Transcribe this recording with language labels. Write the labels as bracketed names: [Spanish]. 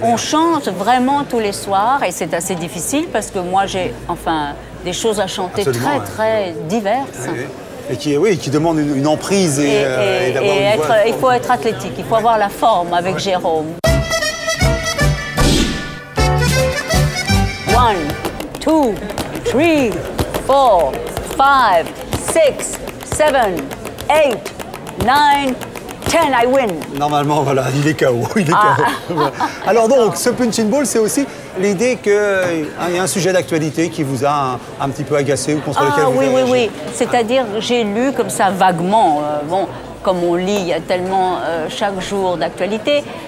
[French] On chante vraiment tous les soirs, et c'est assez difficile, parce que moi, j'ai... Enfin, des choses à chanter absolument, très diverses. Oui. Et qui demandent une emprise et d'avoir une voix. Il faut être athlétique, il faut avoir la forme avec Jérôme. [English] One, two, three, four, five, six, seven, eight, nine, ten, I win. [French] Normalement, voilà, il est KO. Il est KO. Ah. Alors donc, ce punching ball, c'est aussi... L'idée qu'il y a un sujet d'actualité qui vous a un petit peu agacé ou contre lequel vous avez agi. Oui. C'est-à-dire, j'ai lu comme ça vaguement. Bon, comme on lit, il y a tellement chaque jour d'actualité.